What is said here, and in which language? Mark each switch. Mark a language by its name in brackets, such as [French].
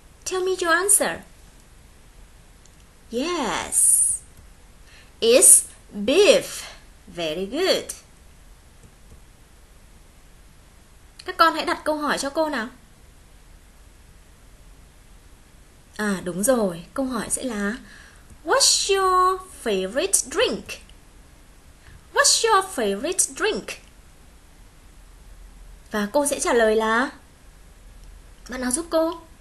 [English] Tell me your answer. Yes, it's beef. Very good. [Vietnamese] Các con hãy đặt câu hỏi cho cô nào. À đúng rồi, câu hỏi sẽ là [English] What's your favorite drink? What's your favorite drink? [Vietnamese] Và cô sẽ trả lời là Bạn nào giúp cô?